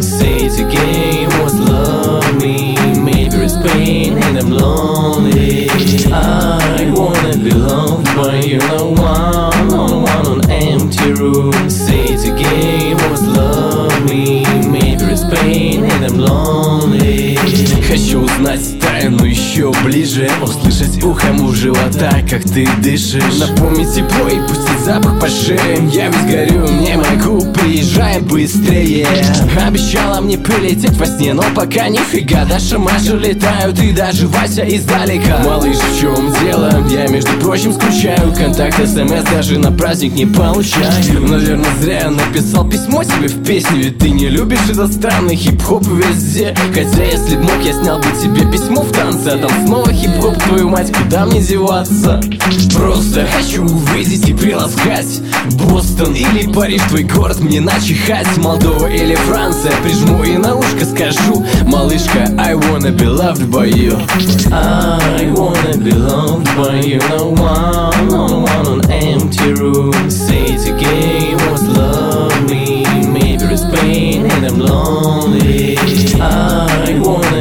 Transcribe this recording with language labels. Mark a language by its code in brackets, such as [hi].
[en] Say it again, what's love mean? Maybe it's pain and I'm lonely. I wanna be loved by you, no one, no one on empty room. Say it again, what's love mean? Maybe it's pain and I'm lonely. [ru] Хочу узнать тайну еще ближе, услышать ухом у живота, как ты дышишь. Напомни тепло и пусти запах по шее. Я ведь горю, не могу, приезжай быстрее. Обещала мне прилететь во сне, но пока нифига. Даже Маша летают и даже Вася издалека. Малыш, в чем дело? Я, между прочим, скучаю. Контакт, смс даже на праздник не получаю. Наверное, зря я написал письмо себе в песню. Ведь ты не любишь этот странный хип-хоп везде. Хотя, если б мог, я снял бы тебе письмо в танце. А там снова хип-хоп, твою мать, куда мне деваться? Просто хочу увидеть и приласкать Бостон или Париж, твой город мне начихать. Молдова или Франция, прижму и на ушко скажу: малышка, [en] I wanna be loved by you. I wanna be loved by you. No one, no one on empty room. Say it again, what's love mean? Maybe it's pain and I'm lonely. I wanna